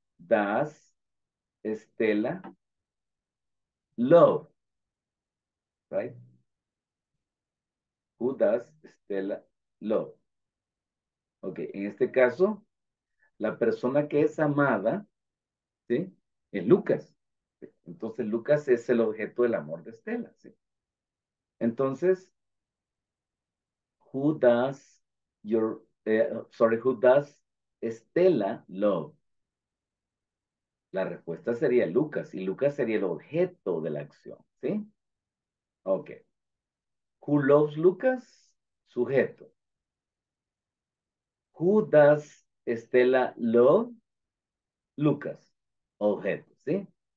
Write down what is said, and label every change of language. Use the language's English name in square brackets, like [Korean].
[English] does Estela love? Right? Who does Estela love? [Spanish] Ok, en este caso, la persona que es amada, ¿sí? Es Lucas. Entonces, Lucas es el objeto del amor de Estela, ¿sí? Entonces, [English] who does your, sorry, who does Estela love? [Spanish] La respuesta sería Lucas, y Lucas sería el objeto de la acción, ¿sí? [English] Ok. Who loves Lucas? [Spanish] Sujeto. [English] Who does Estela love? Lucas. [Spanish] Objeto, ¿sí?